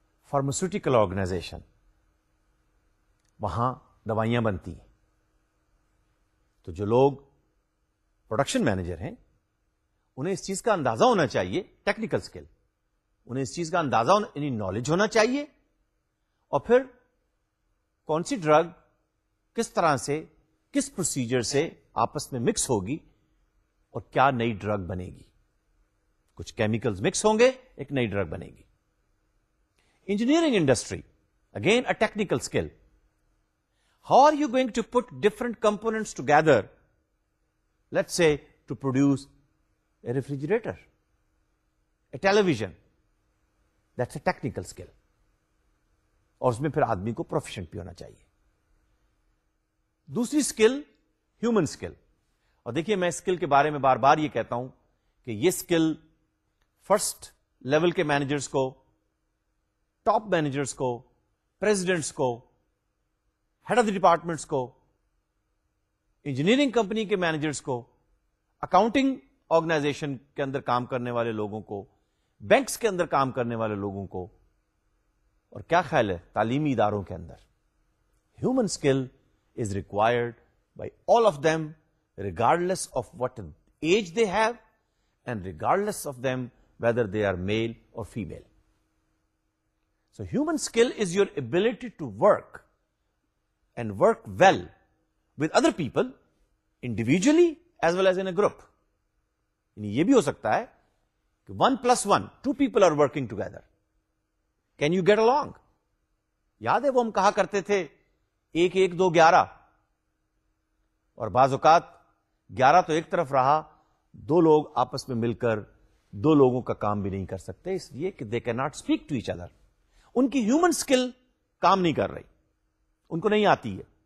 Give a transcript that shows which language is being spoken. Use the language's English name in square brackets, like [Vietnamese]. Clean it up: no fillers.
[Urdu] Pharmaceutical organization, وہاں دوائیاں بنتی ہیں, تو جو لوگ پروڈکشن مینیجر ہیں انہیں اس چیز کا اندازہ ہونا چاہیے, ٹیکنیکل سکل, انہیں اس چیز کا اندازہ یعنی نالج ہونا چاہیے, اور پھر کون سی ڈرگ کس طرح سے کس پروسیجر سے آپس میں مکس ہوگی اور کیا نئی ڈرگ بنے گی. کچھ کیمیکلز مکس ہوں گے, ایک نئی ڈرگ بنے گی. [English] Engineering industry, again a technical skill. How are you going to put different components together, let's say to produce a refrigerator, a television, that's a technical skill. [Urdu] اور اس میں پھر آدمی کو پروفیشنٹ بھی ہونا چاہیے. دوسری اسکل ہیومن اسکل. اور دیکھیے, میں اسکل کے بارے میں بار بار یہ کہتا ہوں کہ یہ اسکل فرسٹ لیول کے مینیجرس کو, ٹاپ مینیجرس کو, پریزیڈنٹس کو, ہیڈ آف دی ڈپارٹمنٹس کو, انجینئرنگ کمپنی کے مینیجرس کو, اکاؤنٹنگ آرگنائزیشن کے اندر کام کرنے والے لوگوں کو, بینکس کے اندر کام کرنے والے لوگوں کو, اور کیا خیال ہے تعلیمی اداروں کے اندر, [English] Human skill is required by all of them regardless of what age they have and regardless of them whether they are male or female. So human skill is your ability to work and work well with other people individually as well as in a group. [Urdu] یعنی یہ بھی ہو سکتا ہے کہ [English] 1+1 two people are working together. Can you get along? [Urdu] یاد ہے وہ ہم کہا کرتے تھے ایک ایک دو گیارہ، اور بعض اوقات گیارہ تو ایک طرف رہا، دو لوگ آپس میں مل کر دو لوگوں کا کام بھی نہیں کر سکتے، اس لیے کہ [English] they can not speak to each other, [Urdu] ان کی ہیومن اسکل کام نہیں کر رہی، ان کو نہیں آتی ہے.